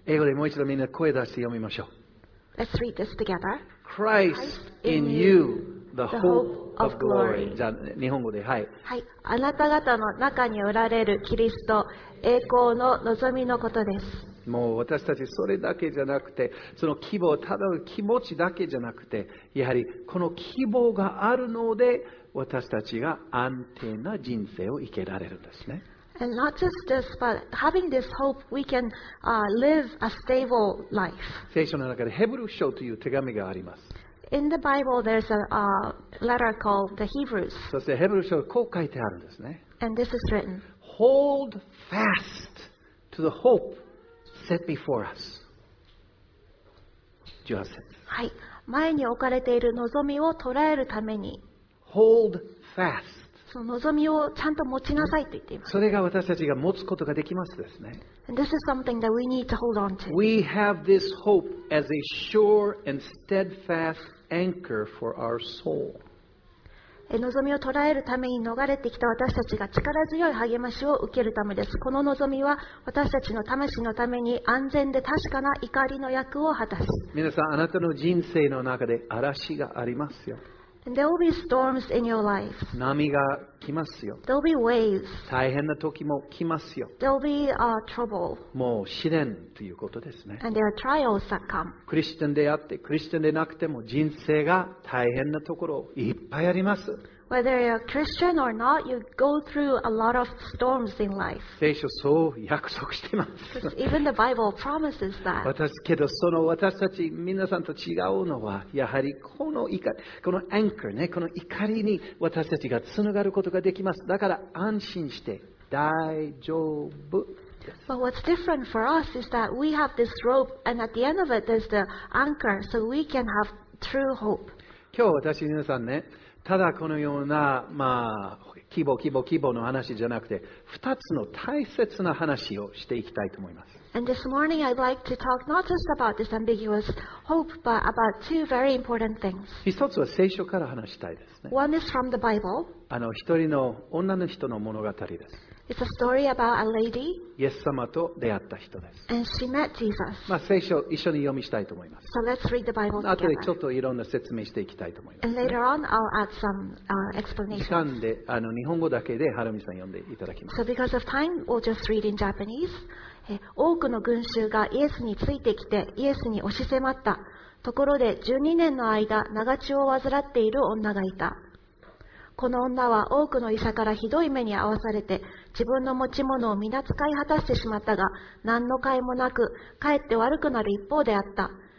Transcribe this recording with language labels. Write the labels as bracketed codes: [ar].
[ja] 英語でもう一度みんな声出して読みましょう。 [en] Let's read this together. Christ in you, the hope of glory. [ja] じゃあ日本語で、はい。はい、あなた方の中におられるキリスト、栄光の望みのことです。もう私たちそれだけじゃなくて、その希望、ただの気持ちだけじゃなくて、やはりこの希望があるので、私たちが安定な人生を生けられるんですね。 [en] And not just this, but having this hope, we can, live a stable life. [ja] 聖書の中でヘブル書という手紙があります。 [en] In the Bible, there's a, letter called the Hebrews. [ja] そしてヘブル書はこう書いてあるんですね。 [en] And this is written. Hold fast to the hope set before us. [ja] 18節。はい。前に置かれている望みを捉えるために、 [en] Hold fast. [ja] その望みをちゃんと持ちなさいと言っています。それが私たちが持つことができますですね。 [en] And this is something that we need to hold on to. We have this hope as a sure and steadfast anchor for our soul. [ja] 望みを捉えるために逃れてきた私たちが力強い励ましを受けるためです。この望みは私たちの魂のために安全で確かな怒りの役を果たす。皆さん、あなたの人生の中で嵐がありますよ。 [en] There will be storms in your life. [ja] 波が来ますよ。 [en] There will be waves. [ja] 大変な時も来ますよ。 [en] There will be, trouble. [ja] もう試練ということですね。 [en] And there are trials that come. [ja] クリスチャンであって、クリスチャンでなくても人生が大変なところいっぱいあります。 [en] Whether you're a Christian or not, you go through a lot of storms in life. [ja] 聖書そう約束しています。 [en] Even the Bible promises that. [ja] 私けどその私たち皆さんと違うのはやはりこの怒り、このアンカーね、この怒りに私たちがつながることができます。だから安心して大丈夫。 [en] But what's different for us is that we have this rope, and at the end of it, there's the anchor, so we can have true hope. [ja] 今日私皆さんね。ただこのような、まあ、希望、希望、希望の話じゃなくて、二つの大切な話をしていきたいと思います。 [en] And this morning I'd like to talk not just about this ambiguous hope, but about two very important things. [ja] 一つは聖書から話したいですね。 [en] One is from the Bible. [ja] 一人の女の人の物語です。 [en] It's a story about a lady. [ja] イエス様と出会った人です。 [en] And she met Jesus. [ja] まあ、聖書を一緒に読みしたいと思います。 [en] So let's read the Bible together. [ja] 後でちょっといろんな説明していきたいと思います、ね。 [en] And later on, I'll add some, explanations. [ja] 時間で日本語だけでハルミさん読んでいただきます。 [en] So because of time, we'll just read in Japanese. [ja] 多くの群衆がイエスについてきてイエスに押し迫った。ところで12年の間、長血を患っている女がいた。この女は多くの医者からひどい目に遭わされて、自分の持ち物を皆使い果たしてしまったが、何の甲斐もなく、かえって悪くなる一方であった。